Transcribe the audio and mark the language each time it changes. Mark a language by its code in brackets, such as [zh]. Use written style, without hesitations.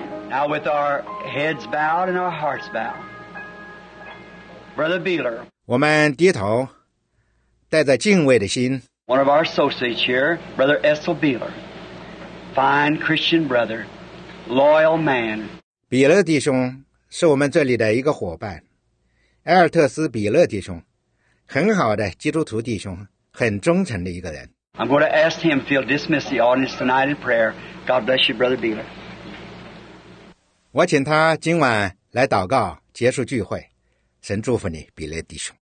[en] Now with our heads bowed and our hearts bowed, Brother Beeler, [zh] 我们低头带着敬畏的心。 [en] One of our associates here, Brother Essel Beeler, fine Christian brother, loyal man. [zh] 比勒弟兄是我们这里的一个伙伴，埃尔特斯·比勒弟兄，很好的基督徒弟兄，很忠诚的一个人。 [en] I'm going to ask him if he'll dismiss the audience tonight in prayer. God bless you, Brother Beeler. [zh] 我请他今晚来祷告结束聚会，神祝福你，比勒弟兄。